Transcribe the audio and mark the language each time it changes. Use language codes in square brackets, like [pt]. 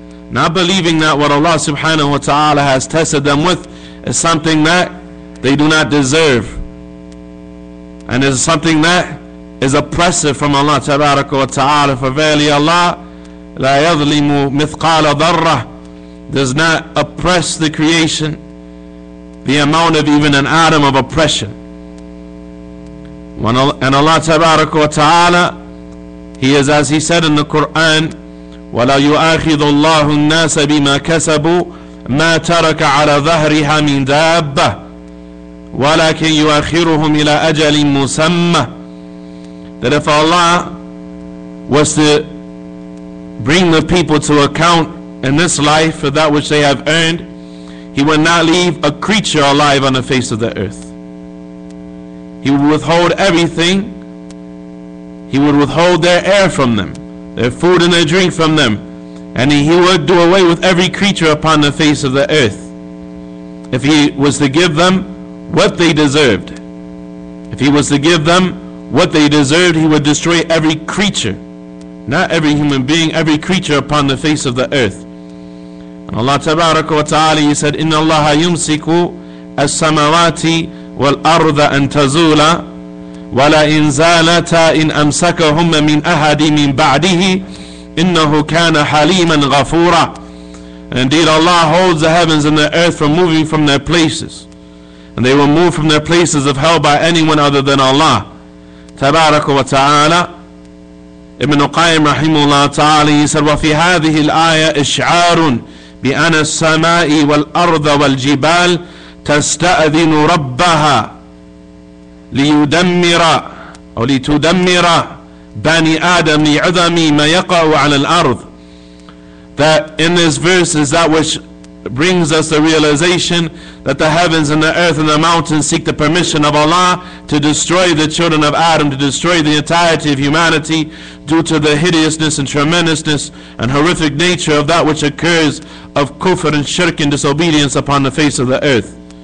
[en] Not believing that what Allah subhanahu wa ta'ala has tested them with is something that they do not deserve, and is something that is oppressive from Allah tabarak wa ta'ala. For verily Allah [ar] la yadhlimu mithqala dharrah, [en] does not oppress the creation the amount of even an atom of oppression. And Allah tabarak wa ta'ala, He is, as He said in the Quran, [ar] وَلَا يُؤَاخِذُ اللَّهُ النَّاسَ بِمَا كَسَبُوا مَا تَرَكَ عَلَى ظَهْرِهَا مِنْ دَابَّةِ وَلَكِنْ يُؤَخِّرُهُمْ إِلَىٰ أَجَلٍ مُسَمَّةٍ. [en] That if Allah was to bring the people to account in this life for that which they have earned, He would not leave a creature alive on the face of the earth. He would withhold everything. He would withhold their air from them, their food and their drink from them, and He would do away with every creature upon the face of the earth if He was to give them what they deserved. If He was to give them what they deserved, He would destroy every creature, not every human being, every creature upon the face of the earth. And Allah tabarak wa ta'ala, He said, [ar] إِنَّ اللَّهَ يُمْسِكُ السَّمَوَاتِ وَالْأَرْضَ أَن تَزُولَ وَلَا إِنْ زَالَتَا إِنْ أَمْسَكَهُمَّ مِنْ أَحَدٍ مِنْ بَعْدِهِ إِنَّهُ كَانَ حَلِيمًا غَفُورًا. [en] Indeed, Allah holds the heavens and the earth from moving from their places, and they will move from their places of hell by anyone other than Allah tabarak wa ta'ala. Ibn Qayyim rahimahullah ta'ala, he said, [ar] وَفِي هَذِهِ الْآيَةِ إِشْعَارٌ بِأَنَ السَّمَاءِ وَالْأَرْضَ وَالْجِبَالِ تَسْتَأْذِنُ رَبَّهَا لِيُدَمِّرَ أَوْ لِتُدَمِّرَ بَنِي آدَمِ لِعُذَمِ مَا يَقَعُ عَلَى الْأَرْضِ. [en] That in this verse is that which brings us the realization that the heavens and the earth and the mountains seek the permission of Allah to destroy the children of Adam, to destroy the entirety of humanity due to the hideousness and tremendousness and horrific nature of that which occurs of kufr and shirk and disobedience upon the face of the earth.